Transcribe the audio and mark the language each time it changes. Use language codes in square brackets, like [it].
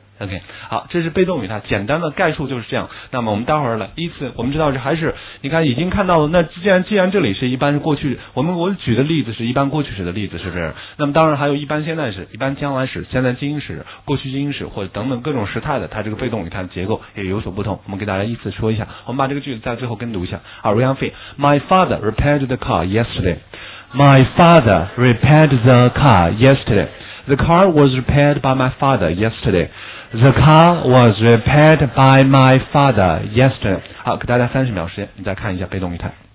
[zh] OK， 好，这是被动语态，简单的概述就是这样。那么我们待会儿来依次，我们知道这还是，你看已经看到了。那既然这里是一般是过去，我举的例子是一般过去时的例子，是不是？那么当然还有一般现在时、一般将来时、现在进行时、过去进行时或者等等各种时态的，它这个被动语态的结构也有所不同。我们给大家依次说一下，我们把这个句子在最后跟读一下。 [en] 好 ，Ryan Fei， My father repaired the car yesterday. My father repaired the car yesterday. The car was repaired by my father yesterday. The car was repaired by my father yesterday. [zh] 好，给大家30秒时间，你再看一下被动语态。